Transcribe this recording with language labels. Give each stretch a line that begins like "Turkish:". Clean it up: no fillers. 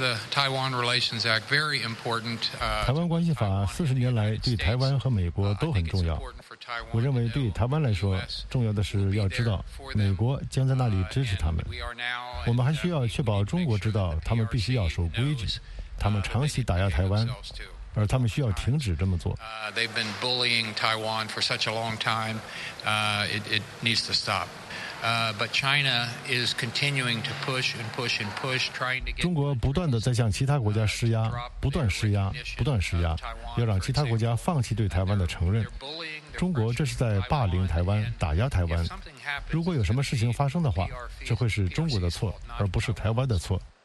Chinese: 台湾关系法40年来对台湾和美国都很重要。我认为对台湾来说，重要的是要知道美国将在那里支持他们。我们还需要确保中国知道他们必须要守规矩，他们长期打压台湾，而他们需要停止这么做。
English: They've been bullying Taiwan for such a long time. It needs to stop. But China is continuing to push and push and push, trying to get.
Chinese: 中国不断地在向其他国家施压，不断施压，不断施压，要让其他国家放弃对台湾的承认。中国这是在霸凌台湾，打压台湾。如果有什么事情发生的话，这会是中国的错，而不是台湾的错。